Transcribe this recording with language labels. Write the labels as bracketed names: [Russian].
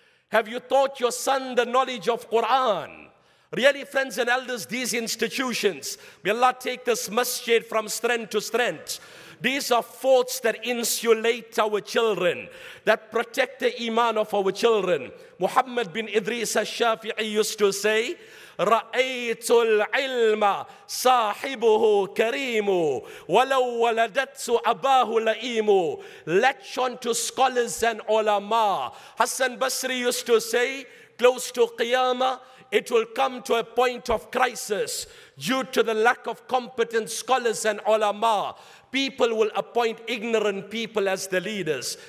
[English] Have you taught your son the knowledge of Quran? Really, friends and elders, these institutions, may Allah take this masjid from strength to strength. These are forts that insulate our children, that protect the iman of our children. Muhammad bin Idris al-Shafi'i used to say, [Arabic] رَأَيْتُ الْعِلْمَ صَاحِبُهُ كَرِيمُ وَلَوْ وَلَدَتْسُ أَبَاهُ لَئِيمُ. [English] Latch on to scholars and ulama. Hassan Basri used to say, close to Qiyamah, it will come to a point of crisis due to the lack of competent scholars and ulama. People will appoint ignorant people as the leaders.